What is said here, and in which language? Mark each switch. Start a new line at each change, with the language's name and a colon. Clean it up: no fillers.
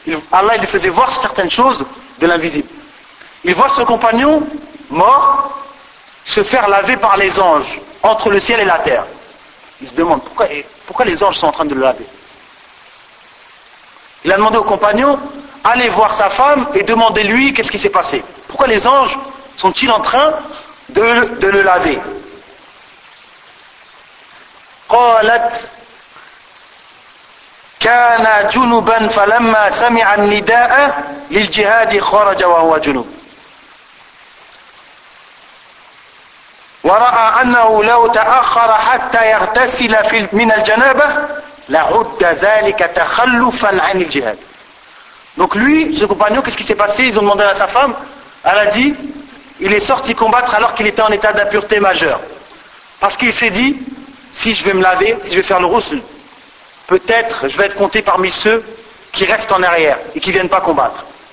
French: Allah lui faisait voir certaines choses de l'invisible. Il voit ce compagnon mort se faire laver par les anges entre le ciel et la terre. Il se demande pourquoi les anges sont en train de le laver. Il a demandé au compagnon, allez voir sa femme et demandez-lui qu'est-ce qui s'est passé. Pourquoi les anges sont-ils en train de le laver?
Arabic: Qalat كان جنبا فلما سمع النداء للجهاد خرج وهو جنب ورأى أنه لو تأخر حتى يغتسل من الجنابة لعد ذلك تخلفا عن الجهاد.
French: Donc lui, ce compagnon, qu'est-ce qui s'est passé? Ils ont demandé à sa femme, elle a dit, il est sorti combattre alors qu'il était en état d'impureté majeure. Parce qu'il s'est dit, si je vais me laver, si je vais faire le roussel, peut-être je vais être compté parmi ceux qui restent en arrière et qui ne viennent pas combattre.